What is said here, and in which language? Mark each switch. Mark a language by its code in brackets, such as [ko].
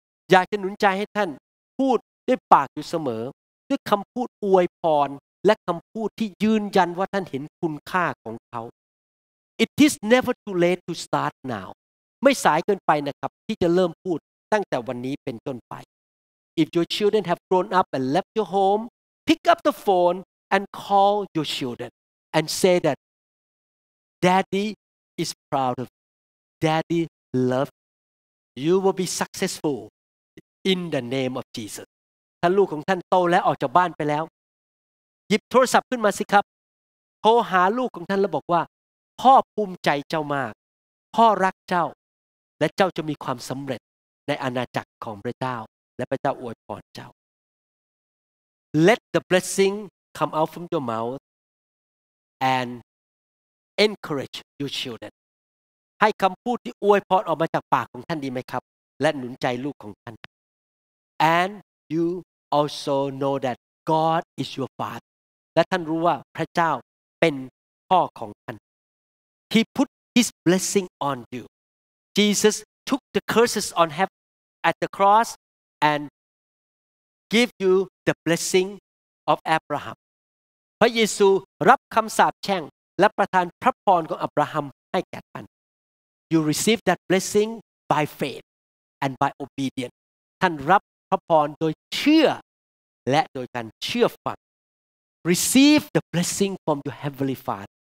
[th] อยากจะหนุนใจให้ท่านพูดด้วยปากอยู่เสมอด้วยคำพูดอวยพรและคำพูดที่ยืนยันว่าท่านเห็นคุณค่าของเขา [en] It is never too late to start now. [th] ไม่สายเกินไปนะครับที่จะเริ่มพูดตั้งแต่วันนี้เป็นต้นไป [en] If your children have grown up and left your home, pick up the phone and call your children and say that Daddy is proud of you. Daddy loves you. You will be successful in the name of Jesus. [th] ถ้าลูกของท่านโตและออกจากบ้านไปแล้วหยิบโทรศัพท์ขึ้นมาสิครับโทรหาลูกของท่านแล้วบอกว่าพ่อภูมิใจเจ้ามากพ่อรักเจ้าและเจ้าจะมีความสำเร็จในอาณาจักรของพระเจ้าและพระเจ้าอวยพรเจ้า [en] Let the blessing come out from your mouth and encourage your children. [th] ให้คำพูดที่อวยพรออกมาจากปากของท่านดีไหมครับและหนุนใจลูกของท่าน [en] And you also know that God is your father. [th] และท่านรู้ว่าพระเจ้าเป็นพ่อของท่าน [en] He put His blessing on you. Jesus took the curses on heaven at the cross and give you the blessing of Abraham. [th] พระเยซูรับคำสาปแช่งและประทานพระพรของอับราฮัมให้แก่ท่าน [en] You receive that blessing by faith and by obedience. [th] ท่านรับพระพรโดยเชื่อและโดยการเชื่อฟัง [en] Receive the blessing from your heavenly Father.